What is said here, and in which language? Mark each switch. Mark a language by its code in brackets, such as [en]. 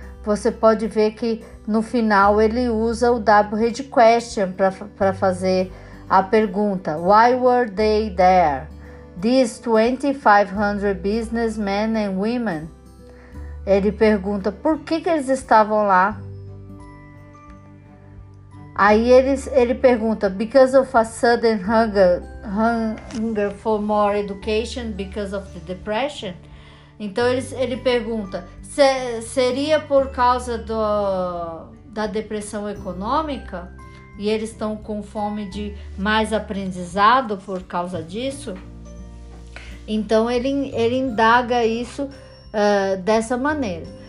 [pt] Você pode ver que no final ele usa o WH question para fazer a pergunta, why were they there? [en] These 2,500 businessmen and women. [pt] Ele pergunta, por que que eles estavam lá? [en] Aí ele pergunta, because of a sudden hunger for more education, because of the depression? [pt] Então ele pergunta, seria por causa da depressão econômica? E eles estão com fome de mais aprendizado por causa disso. Então ele indaga isso dessa maneira.